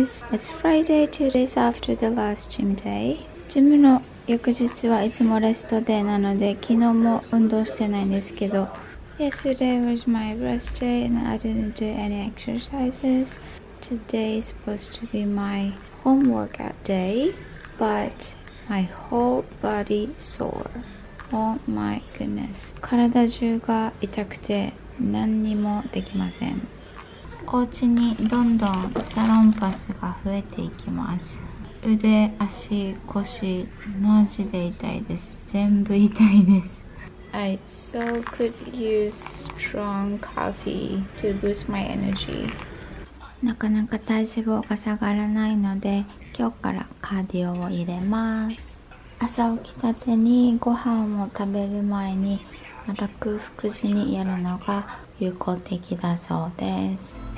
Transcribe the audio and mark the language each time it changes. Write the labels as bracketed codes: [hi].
[en] It's Friday, 2 days after the last gym day. [ja] ジムの翌日はいつもレストデーなので、昨日も運動してないんですけど。 [en] Yesterday was my rest day and I didn't do any exercises. Today is supposed to be my home workout day, but my whole body sore. Oh my goodness. [ja] 体中が痛くて何にもできません。お家にどんどんサロンパスが増えていきます。腕、足、腰、マジで痛いです。全部痛いです。 [en] I so could use strong coffee to boost my energy. [ja] なかなか体脂肪が下がらないので、今日からカーディオを入れます。朝起きたてにご飯を食べる前にまた空腹時にやるのが有効的だそうです。